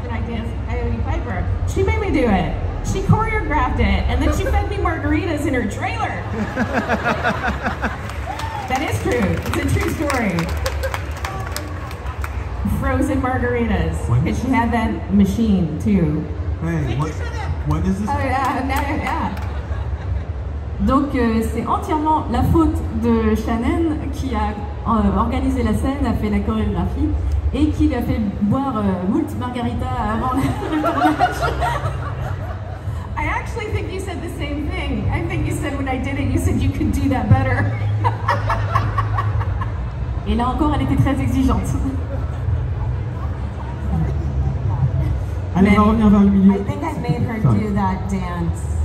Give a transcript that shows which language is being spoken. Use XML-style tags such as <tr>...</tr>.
<en>And I danced Ione Piper. She made me do it. She choreographed it, and then she fed me margaritas in her trailer. That is true. It's a true story. Frozen margaritas, because she had that machine too. Hey, what is this? Oh yeah.</en> <fr>Donc c'est entièrement la faute de Shannon qui a organisé la scène, a fait la chorégraphie et qui lui a fait boire moult margarita avant le tournage.</fr> <en>I actually think you said the same thing. I think you said when I did it, you said you could do that better.</en> <fr>Et là encore, elle était très exigeante. Allez, on va revenir vers le milieu.</fr> <en>I think I've made her do that dance.</en>